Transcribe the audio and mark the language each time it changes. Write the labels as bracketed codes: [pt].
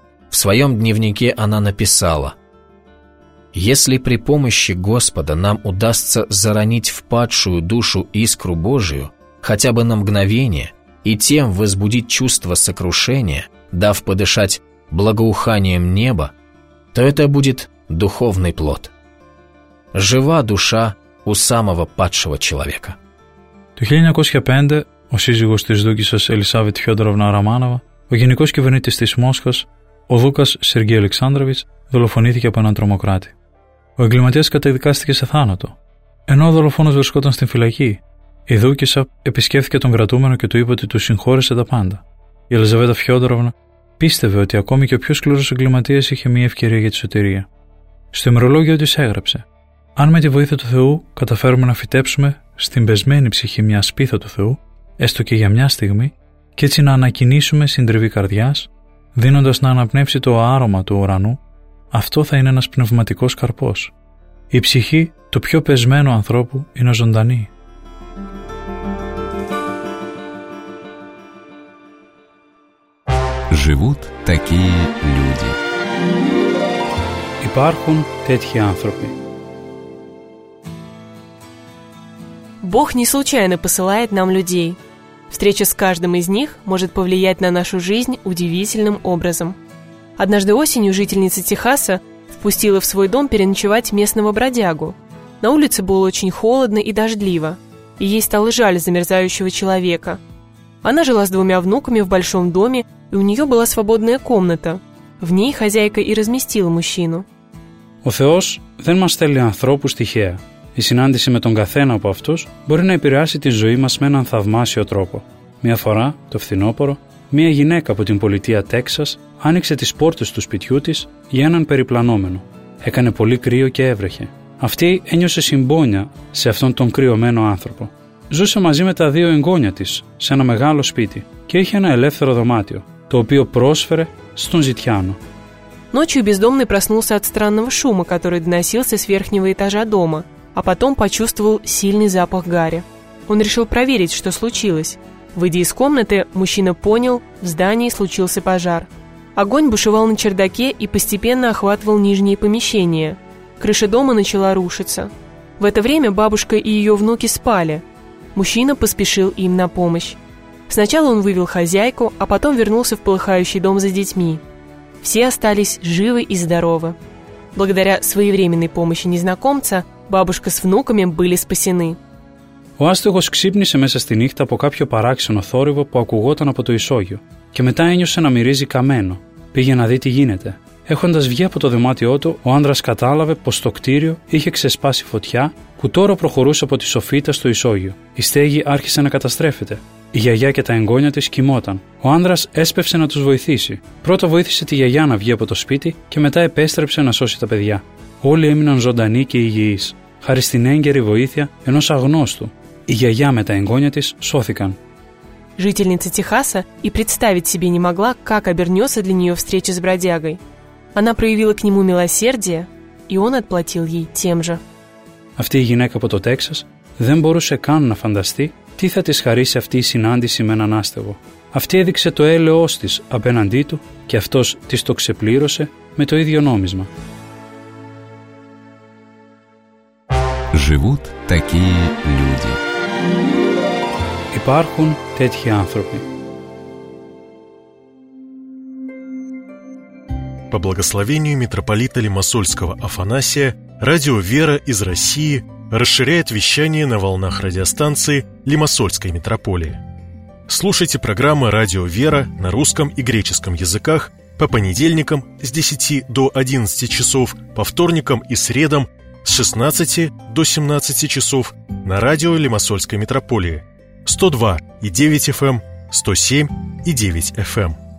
[ru] В своем дневнике она написала: «Если при помощи Господа нам удастся заронить в падшую душу искру Божию хотя бы на мгновение и тем возбудить чувство сокрушения, дав подышать благоуханием неба, то это будет духовный плод. Жива душа у самого падшего человека». [el] Το 1905 ο σύζυγος της Δούκισσας Ελισάβετ Φιόντοροβνα Ραμάνοβα, ο γενικός κυβερνήτης της Μόσχας, ο Δούκας Σεργέι Αλεξάνδροβιτς, δολοφονήθηκε από έναν τρομοκράτη. Ο εγκληματίας καταδικάστηκε σε θάνατο. Ενώ ο δολοφόνος βρισκόταν στην φυλακή, η Δούκισσα επισκέφθηκε τον κρατούμενο και του είπε ότι του συγχώρεσε τα πάντα. Η Ελισάβετ Φιόντοροβνα πίστευε ότι ακόμη και ο πιο σκληρός εγκληματίας είχε μια ευκαιρία για τη σωτηρία. Στο ημερολόγιο της έγραψε: «Αν με τη βοήθεια του Θεού καταφέρουμε να φυτέψουμε στην πεσμένη ψυχή μια σπίθα του Θεού, έστω και για μια στιγμή, και έτσι να ανακοινήσουμε συντριβή καρδιάς, δίνοντας να αναπνεύσει το άρωμα του ουρανού, αυτό θα είναι ένας πνευματικός καρπός. Η ψυχή του πιο πεσμένου ανθρώπου είναι ζωντανή». [ru] Живут такие люди. [el] Υπάρχουν τέτοιοι άνθρωποι. [ru] Бог не случайно посылает нам людей. Встреча с каждым из них может повлиять на нашу жизнь удивительным образом. Однажды осенью жительница Техаса впустила в свой дом переночевать местного бродягу. На улице было очень холодно и дождливо, и ей стало жаль замерзающего человека. Она жила с двумя внуками в большом доме, и у нее была свободная комната. В ней хозяйка и разместила мужчину. [el] Ο Θεός δεν μας στέλνει ανθρώπους тихо. Η συνάντηση με τον καθένα από αυτούς μπορεί να επηρεάσει τη ζωή μας με έναν θαυμάσιο τρόπο. Μια φορά, το φθινόπωρο, μια γυναίκα από την πολιτεία Τέξας άνοιξε τις πόρτες του σπιτιού της για έναν περιπλανόμενο. Έκανε πολύ κρύο και έβρεχε. Αυτή ένιωσε συμπόνια σε αυτόν τον κρυωμένο άνθρωπο. Ζούσε μαζί με τα δύο εγγόνια της σε ένα μεγάλο σπίτι και είχε ένα ελεύθερο δωμάτιο, το οποίο πρόσφερε στον ζητιάνο. [ru] Ночью бездомный проснулся от странного шума, который доносился с верхнего этажа дома, а потом почувствовал сильный запах гари. Он решил проверить, что случилось. Выйдя из комнаты, мужчина понял, в здании случился пожар. Огонь бушевал на чердаке и постепенно охватывал нижние помещения. Крыша дома начала рушиться. В это время бабушка и ее внуки спали. Мужчина поспешил им на помощь. Сначала он вывел хозяйку, а потом вернулся в полыхающий дом за детьми. Все остались живы и здоровы. Благодаря своевременной помощи незнакомца, бабушка с внуками были спасены. [el] Ο άστεγος ξύπνησε μέσα στη νύχτα από κάποιο παράξενο θόρυβο που ακουγόταν από το ισόγειο και μετά ένιωσε να μυρίζει καμένο. Πήγε να δει τι γίνεται. Έχοντας βγει από το δωμάτιό του, ο άντρας κατάλαβε πως το κτίριο είχε ξεσπάσει φωτιά που τώρα προχωρούσε από τη σοφίτα στο ισόγειο. Η στέγη άρχισε να καταστρέφεται. Η γιαγιά και τα εγγόνια της κοιμόταν. Ο άντρας έσπευσε να τους βοηθήσει. Πρώτα βοήθησε τη γιαγιά να βγει από το σπίτι και μετά επέστρεψε να σώσει τα παιδιά. Όλοι έμειναν ζωντανοί και υγιείς, χάρη στην έγκαιρη βοήθεια ενός αγνώστου. Η γιαγιά με τα εγγόνια της σώθηκαν. [ru] Жительница Техаса и представить себе не могла, как обернется для нее встреча с бродягой. Она проявила к нему милосердие, и он отплатил ей тем же. [el] Αυτή η γυναίκα από το Τέξας δεν μπορούσε καν να φανταστεί τι θα της χαρίσει αυτή η συνάντηση με έναν άστεγο. Αυτή έδειξε το έλεος της απέναντί του και αυτός της το ξεπλήρωσε με το ίδιο νόμισμα. [ru] Живут такие люди. [el] Υπάρχουν τέτοιοι άνθρωποι. [ru] По благословению митрополита Лимассольского Афанасия, радио «Вера» из России расширяет вещание на волнах радиостанции Лимассольской митрополии. Слушайте программы «Радио «Вера» на русском и греческом языках по понедельникам с 10 до 11 часов, по вторникам и средам с 16 до 17 часов на радио Лимассольской митрополии 102,9 FM, 107,9 FM.